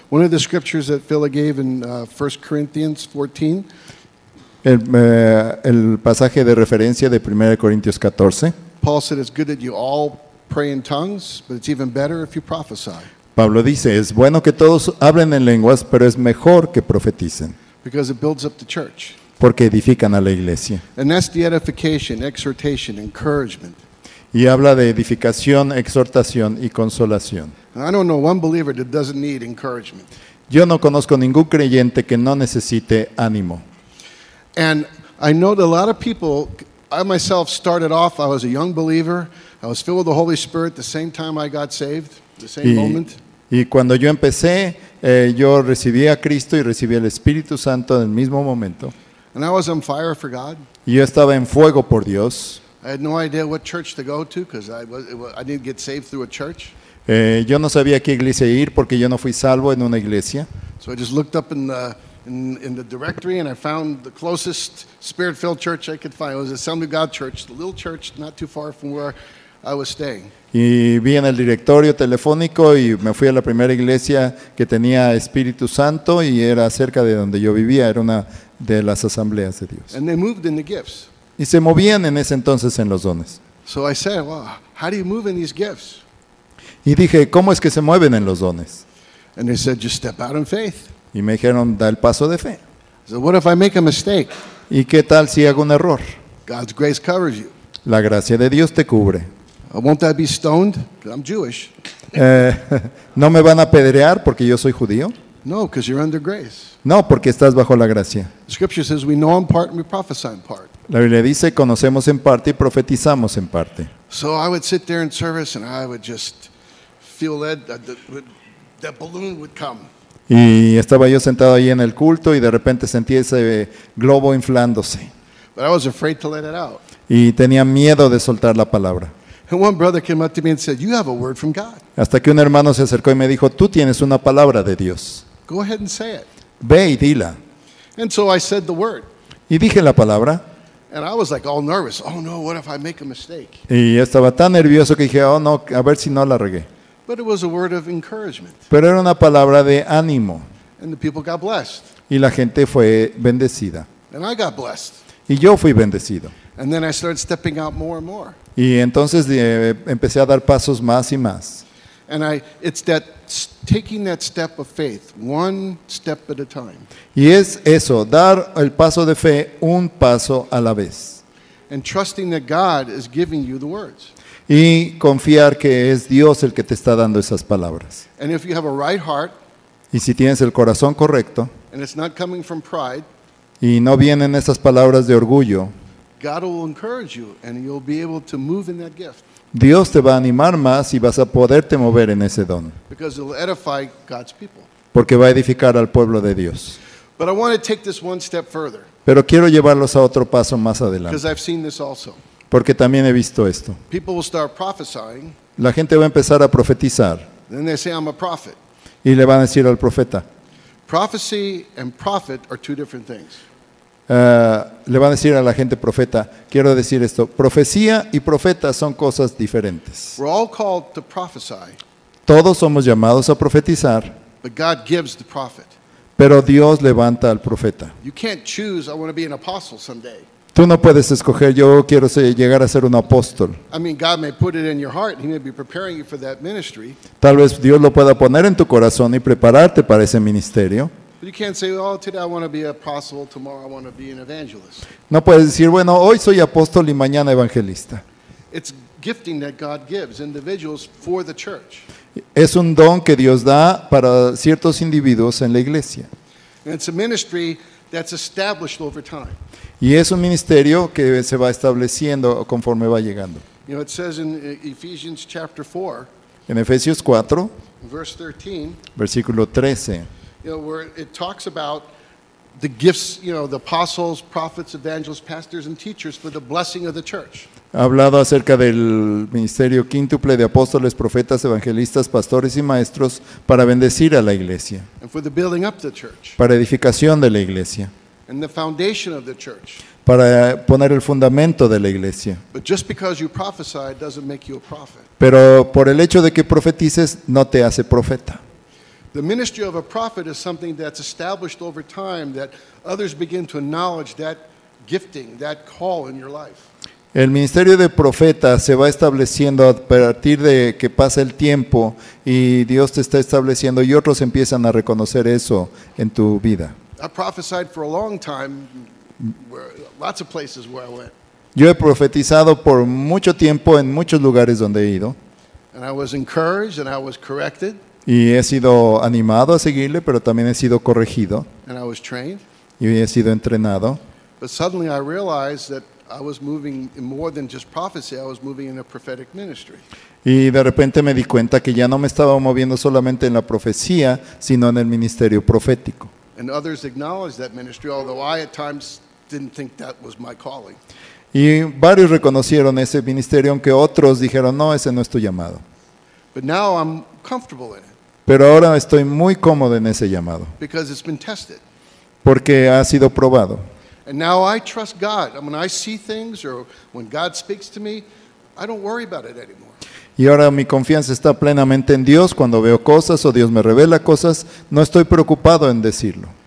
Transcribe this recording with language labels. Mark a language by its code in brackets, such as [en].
[en] One of the scriptures that Phil gave in 1 Corinthians 14. [es] El pasaje de referencia de 1 Corintios 14. [en] Paul said it's good that you all pray in tongues, but it's even better if you prophesy. [es] Pablo dice, es bueno que todos hablen en lenguas, pero es mejor que profeticen. [en] Because it builds up the church. [es] Porque edifican a la iglesia. [en] And that's the edification, exhortation, encouragement. [es] Y habla de edificación, exhortación y consolación. [en] I don't know one believer that doesn't need encouragement. [es] Yo no conozco ningún creyente que no necesite ánimo. [en] And I know that a lot of people, I myself started off, I was a young believer, I was filled with the Holy Spirit the same time I got saved, the same moment. [es] Y cuando yo empecé, yo recibí a Cristo y recibí el Espíritu Santo en el mismo momento. [en] And I was on fire for God. [es] Y yo estaba en fuego por Dios. [en] I had no idea what church to go to because I didn't get saved through a church. [es] Yo no sabía qué iglesia ir porque yo no fui salvo en una iglesia. [en] So I just looked up in the directory and I found the closest Spirit-filled church I could find. It was the Assembly of God Church, the little church not too far from where I was staying. [es] Y vi en el directorio telefónico y me fui a la primera iglesia que tenía Espíritu Santo y era cerca de donde yo vivía. Era una de las asambleas de Dios. [en] And they moved in the gifts. [es] Y se movían en ese entonces en los dones. [en] So I said, well, how do you move in these gifts? [es] Y dije, ¿cómo es que se mueven en los dones? [en] And they said, just step out in faith. [es] Y me dijeron, da el paso de fe. [en] So what if I make a mistake? [es] ¿Y qué tal si hago un error? [en] God's grace covers you. [es] La gracia de Dios te cubre. [en] Won't I be stoned? I'm Jewish. [es] ¿No me van a apedrear porque yo soy judío? [en] No, because you're under grace. [es] No, porque estás bajo la gracia. [en] The scripture says we know in part and we prophesy in part. [es] La Biblia dice, conocemos en parte y profetizamos en parte. [en] So I would sit there in service and I would just feel that balloon would come. [es] Y estaba yo sentado ahí en el culto y de repente sentí ese globo inflándose. [en] But I was afraid to let it out. [es] Y tenía miedo de soltar la palabra. [en] And one brother came up to me and said, you have a word from God. [es] Hasta que un hermano se acercó y me dijo, tú tienes una palabra de Dios. [en] Go ahead and say it. [es] Ve y dila. [en] And so I said the word. [es] Y dije la palabra. [en] And I was like all nervous. Oh no, what if I make a mistake? [es] Y estaba tan nervioso que dije, oh no, a ver si no la regué. [en] But it was a word of encouragement. [es] Pero era una palabra de ánimo. [en] And the people got blessed. [es] Y la gente fue bendecida. [en] And I got blessed. [es] Y yo fui bendecido. [en] And then I started stepping out more and more. [es] Y entonces empecé a dar pasos más y más. [en] And it's that taking that step of faith, one step at a time. [es] Y es eso, dar el paso de fe un paso a la vez. [en] And trusting that God is giving you the words. [es] Y confiar que es Dios el que te está dando esas palabras. [en] And if you have a right heart, [es] y si tienes el corazón correcto, [en] and it's not coming from pride, [es] Y no vienen esas palabras de orgullo. [en] God will encourage you and you'll be able to move in that gift. [es] Dios te va a animar más y vas a poderte mover en ese don. [en] Because it'll edify God's people. [es] Porque va a edificar al pueblo de Dios. [en] But I want to take this one step further. [es] Pero quiero llevarlos a otro paso más adelante. [en] Because I've seen this also. [es] Porque también he visto esto. [en] People will start prophesying. [es] La gente va a empezar a profetizar. [en] Then they say, I'm a prophet. [es] Y le van a decir al profeta. [en] Prophecy and prophet are two different things. [es] Le van a decir a la gente profeta, quiero decir esto, profecía y profeta son cosas diferentes. [en] We're all called to prophesy. [es] Todos somos llamados a profetizar. [en] But God gives the prophet. [es] Pero Dios levanta al profeta. [en] You can't choose, I want to be an apostle someday. [es] Tú no puedes escoger, yo quiero llegar a ser un apóstol. [en] I mean, God may put it in your heart, he may be preparing you for that ministry. [es] Tal vez Dios lo pueda poner en tu corazón y prepararte para ese ministerio. [en] But you can't say, oh, today I want to be an apostle, tomorrow I want to be an evangelist. [es] No puedes decir, bueno, hoy soy apóstol y mañana evangelista. [en] It's gifting that God gives individuals for the church. [es] Es un don que Dios da para ciertos individuos en la iglesia. [en] And it's a ministry that's established over time. [es] Y es un ministerio que se va estableciendo conforme va llegando. [en] You know, it says in Ephesians chapter 4, [es] en Efesios 4, [en] verse 13, [es] versículo 13, [en] you know, where it talks about the gifts, you know, the apostles, prophets, evangelists, pastors, and teachers for the blessing of the church. [es] Ha hablado acerca del ministerio quíntuple de apóstoles, profetas, evangelistas, pastores y maestros para bendecir a la iglesia. [en] And for the building up the church. [es] Para edificación de la iglesia. [en] And the foundation of the church. [es] Para poner el fundamento de la iglesia. [en] But just because you prophesy doesn't make you a prophet. [es] Pero por el hecho de que profetices no te hace profeta. [en] The ministry of a prophet is something that's established over time that others begin to acknowledge that gifting, that call in your life. [es] El ministerio de profeta se va estableciendo a partir de que pasa el tiempo y Dios te está estableciendo y otros empiezan a reconocer eso en tu vida. [en] I prophesied for a long time, lots of places where I went. [es] Yo he profetizado por mucho tiempo en muchos lugares donde he ido. [en] And I was encouraged and I was corrected. [es] Y he sido animado a seguirle, pero también he sido corregido. [en] And I was trained. [es] Y he sido entrenado. [en] But suddenly I realized that I was moving in more than just prophecy, I was moving in a prophetic ministry. [es] Y de repente me di cuenta que ya no me estaba moviendo solamente en la profecía, sino en el ministerio profético. [en] And others acknowledged that ministry, although I at times didn't think that was my calling. [es] Y varios reconocieron ese ministerio, aunque otros dijeron, no, ese no es tu llamado. [en] But now I'm comfortable in it. [es] Pero ahora estoy muy cómodo en ese llamado. [en] Because it's been tested. [es] Porque ha sido probado. [en] And now I trust God. When I see things or when God speaks to me, I don't worry about it anymore. [es] Y ahora mi confianza está plenamente en Dios. Cuando veo cosas o Dios me revela cosas, no estoy preocupado en decirlo.